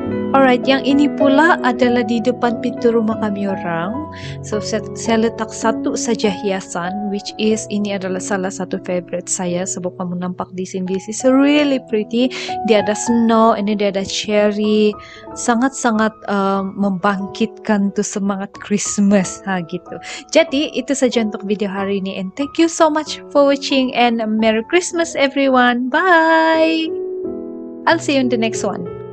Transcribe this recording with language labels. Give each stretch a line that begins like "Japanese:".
Malay: Alright, yang ini pula adalah di depan pintu rumah kami orang. So, saya letak satu saja hiasan,
English: which is
Malay: ini adalah salah satu favorite saya. Sebab kamu nampak di sini,
English: this is really pretty.
Malay: Dia ada snow, ini dia ada cherry. Sangat-sangat membangkitkan tuh semangat Christmas, ha gitu. Jadi, itu saja untuk video hari ini.
English: And thank you so much for watching and Merry Christmas everyone. Bye! I'll see you in the next one.